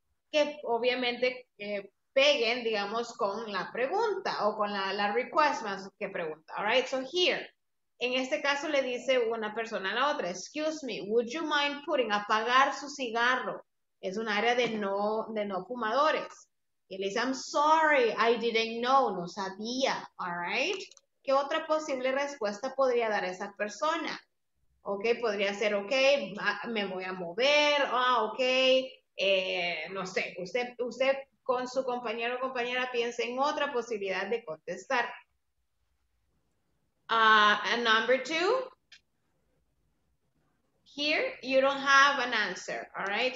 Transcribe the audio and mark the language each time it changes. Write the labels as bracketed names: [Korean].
[Spanish] Que obviamente, peguen, digamos, con la pregunta o con la request más que pregunta, [English] all right? So here, [Spanish] en este caso le dice una persona a la otra, [English] excuse me, would you mind putting, [Spanish] apagar su cigarro? Es un área de no fumadores. Y le dice, [English] I'm sorry, I didn't know, [Spanish] no sabía, [English] all right? [Spanish] ¿Qué otra posible respuesta podría dar esa persona? Ok, podría ser, ok, me voy a mover, ah, oh, ok, no sé, usted con su compañero o compañera piensa en otra posibilidad de contestar. [English] And number two, here you don't have an answer, all right?